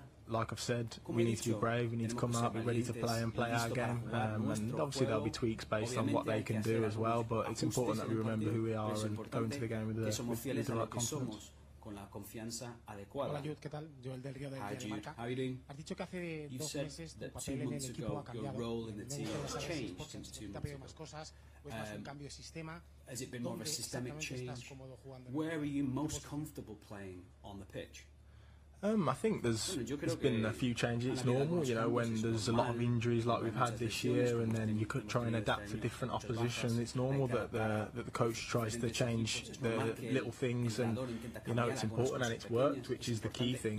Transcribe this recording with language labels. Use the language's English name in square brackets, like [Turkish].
[English] Like I've said, we need to be brave, we need to come out, be ready to play and play our game. And obviously there'll be tweaks based on what they can do as well, but it's important that we remember who we are and go into the game with the right confidence. [Spanish] Hola, Jude, ¿qué tal? Joel del Río de Marca. Has dicho que hace dos meses tu papel en el equipo ha cambiado. En el mes de los años, ¿te ha pedido más cosas? ¿O es más un cambio de sistema? [English] ¿Has it been more of a systemic change? Where are you most comfortable playing on the pitch? I think there's been a few changes. It's normal, you know, when there's a lot of injuries like we've had this year, and then you could try and adapt to different opposition. It's normal that the coach tries to change the little things, and you know it's important and it's worked, which is the key thing.